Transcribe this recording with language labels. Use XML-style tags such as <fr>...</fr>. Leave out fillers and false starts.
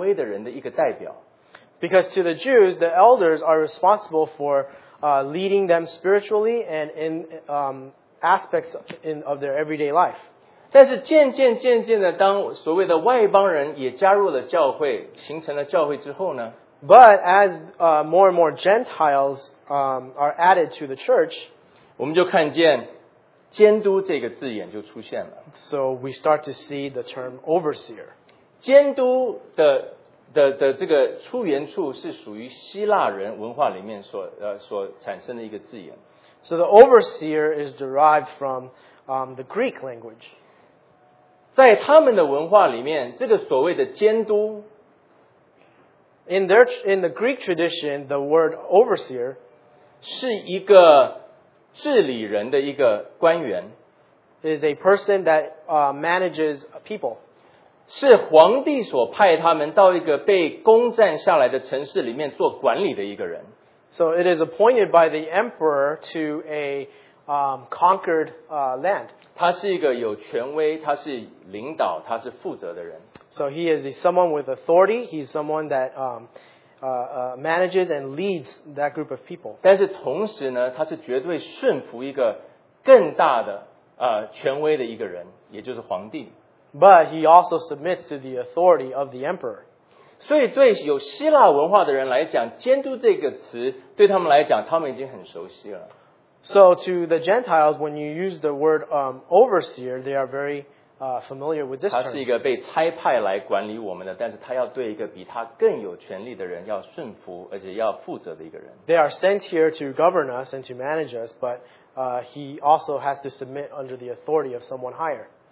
<zh>因为对他们来讲,长老就是在属灵上面带领他们,就是甚至在他们私人的生活上面为他们做一个管理,负责有权威的人的一个代表。</zh> <en>Because to the Jews, the elders are responsible for leading them spiritually and in aspects of their everyday life.</en> <zh>但是渐渐的当所谓的外邦人也加入了教会,形成了教会之后呢?</zh> <en>But as more and more Gentiles are added to the church,</en> <zh>我们就看见监督这个字眼就出现了。</zh> <en>So we start to see the term overseer.</en> <zh>监督的的这个出源处是属于希腊人文化里面所产生的一个字眼。</zh> <en>So the overseer is derived from the Greek language.</en> <zh>在他们的文化里面，这个所谓的监督。</zh> <en>In the Greek tradition, the word overseer</en> <zh>是一个治理人的一个官员。</zh> <en>Is a person that manages people.</en> <zh>是皇帝所派他们到一个被攻占下来的城市里面做管理的一个人。</zh> <en>So it is appointed by the emperor to a conquered land.</en> <zh>他是一个有权威，他是领导，他是负责的人。</zh> <en>So he is someone with authority. He's someone that manages and leads that group of people.</en> <zh>但是同时呢，他是绝对顺服一个更大的权威的一个人，也就是皇帝。</zh> <en>But he also submits to the authority of the emperor.</en> <zh>所以对有希腊文化的人来讲，监督这个词对他们来讲，他们已经很熟悉了。</zh> <en>So to the Gentiles, when you use the word overseer, they are very familiar with this term.</en> <zh>他是一个被差派来管理我们的，但是他要对一个比他更有权力的人要顺服，而且要负责的一个人。</zh> <en>They are sent here to govern us and to manage us, but he also has to submit under the authority of someone higher.</en>